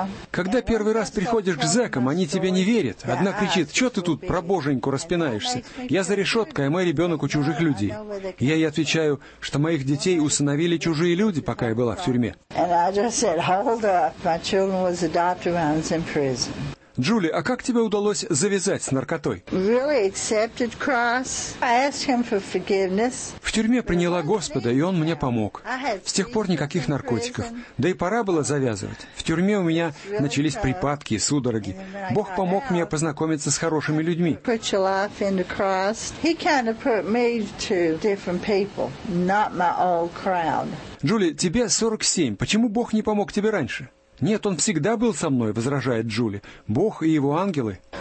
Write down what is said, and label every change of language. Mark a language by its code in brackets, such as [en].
[ru] Когда первый раз приходишь к зэкам, они тебе не верят. Одна кричит: «Чё ты тут про боженьку распинаешься? Я за решеткой, а мой ребенок у чужих людей». Я ей отвечаю, что моих детей усыновили чужие люди, пока я была в тюрьме. [en] And I just said, hold up, my children was adopted when I was in prison. [ru] Джули, а как тебе удалось завязать с наркотой? [en] Really accepted Christ. I asked him for forgiveness. [ru] В тюрьме приняла Господа, и Он мне помог. С тех пор никаких наркотиков. Да и пора было завязывать. В тюрьме у меня начались припадки и судороги. Бог помог мне познакомиться с хорошими людьми. [en] Put your life into Christ. He kind of put me to different people, not my old crowd. [ru] Джули, тебе 47. Почему Бог не помог тебе раньше? Нет, он всегда был со мной, возражает Джули. Бог и его ангелы.